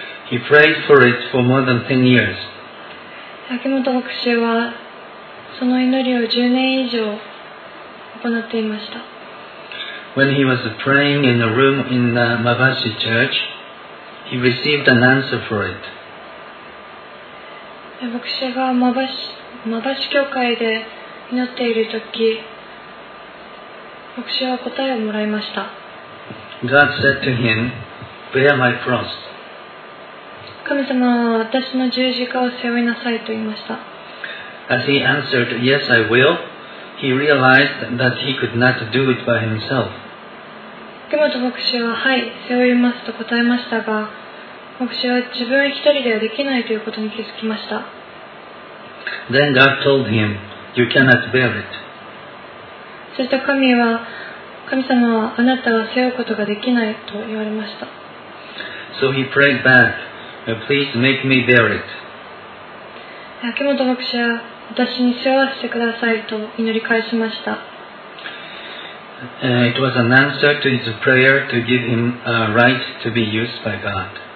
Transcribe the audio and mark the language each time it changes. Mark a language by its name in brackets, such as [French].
[English] He prayed for it for more than 10 years. [Japanese] 秋元牧師はその祈りを10年以上行っていました。 [English] When he was praying in a room in the Magashi Church, he received an answer for it. [Japanese] 牧師がマバシ教会で祈っているとき、牧師は答えをもらいました。 [English] God said to him, "Bear my cross." [Japanese] 神様は私の十字架を背負いなさいと言いました。 [English] As he answered, "Yes, I will," he realized that he could not do it by himself. [Japanese] 木本牧師は、はい、背負いますと答えましたが、牧師は自分一人ではできないということに気づきました。 [English] Then God told him, "You cannot bear it." [Japanese] そして神様はあなたは背負うことができないと言われました。 [English] So he prayed back, "Please make me bear it." [Japanese] 秋元牧師は私に背負わせてくださいと祈り返しました。 [English] It was an answer to his prayer to give him a right to be used by God.